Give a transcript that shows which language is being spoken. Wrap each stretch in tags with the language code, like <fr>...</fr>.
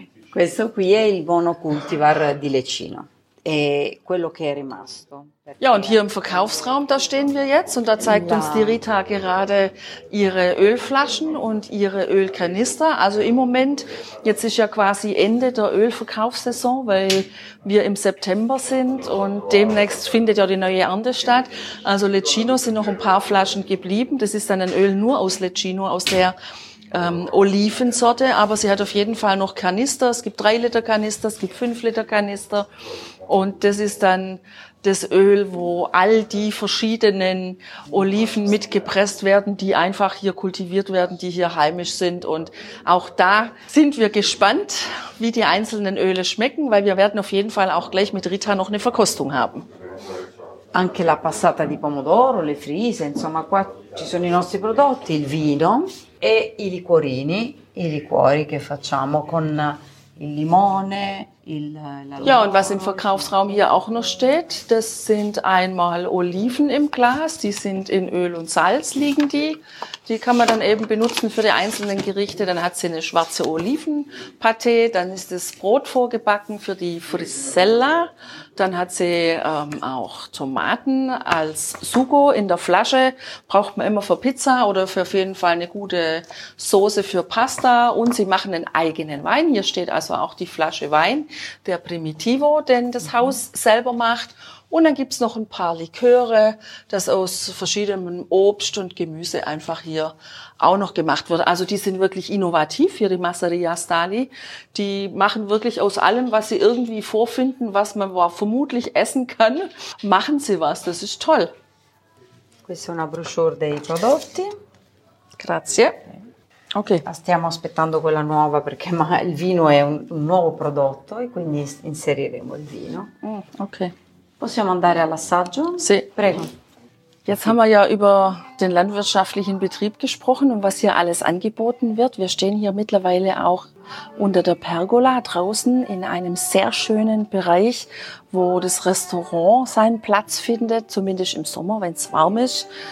<it>Questo qui è il monocultivar di leccino. E quello che è rimasto.</it> <de>Ja, und hier im Verkaufsraum, da stehen wir jetzt und da zeigt uns die Rita gerade ihre Ölflaschen und ihre Ölkanister. Also im Moment, jetzt ist ja quasi Ende der Ölverkaufssaison, weil wir im September sind und demnächst findet ja die neue Ernte statt. Also Leccino sind noch ein paar Flaschen geblieben. Das ist dann ein Öl nur aus Leccino, aus der Olivensorte, aber sie hat auf jeden Fall noch Kanister. Es gibt 3 Liter Kanister, es gibt 5 Liter Kanister. Und das ist dann das Öl, wo all die verschiedenen Oliven mitgepresst werden, die einfach hier kultiviert werden, die hier heimisch sind. Und auch da sind wir gespannt, wie die einzelnen Öle schmecken, weil wir werden auf jeden Fall auch gleich mit Rita noch eine Verkostung haben.</de> <it>Anche la passata di pomodoro, le frise, insomma, qua ci sono i nostri prodotti, il vino e i liquorini, i liquori che facciamo con il limone,</it> <de>Ja, und was im Verkaufsraum hier auch noch steht, das sind einmal Oliven im Glas, die sind in Öl und Salz liegen die. Die kann man dann eben benutzen für die einzelnen Gerichte. Dann hat sie eine schwarze Olivenpaté, dann ist das Brot vorgebacken für die Frisella. Dann hat sie auch Tomaten als Sugo in der Flasche. Braucht man immer für Pizza oder für auf jeden Fall eine gute Soße für Pasta. Und sie machen einen eigenen Wein. Hier steht also auch die Flasche Wein, der Primitivo, den das Haus selber macht. Und dann gibt's noch ein paar Liköre, das aus verschiedenem Obst und Gemüse einfach hier auch noch gemacht wird. Also die sind wirklich innovativ hier, die Masseria Stali. Die machen wirklich aus allem, was sie irgendwie vorfinden, was man vermutlich essen kann, machen sie was. Das ist toll.</de> <it>Questa è una brochure dei prodotti. Grazie. Okay. Stiamo aspettando quella nuova perché il vino è un nuovo prodotto e quindi inseriremo il vino. Okay. Possiamo andare all'assaggio? Sì. Prego.</it> <de>Jetzt haben wir ja über den landwirtschaftlichen Betrieb gesprochen und was hier alles angeboten wird. Wir stehen hier mittlerweile auch unter der Pergola draußen in einem sehr schönen Bereich, wo das Restaurant seinen Platz findet, zumindest im Sommer, wenn es warm ist.</de>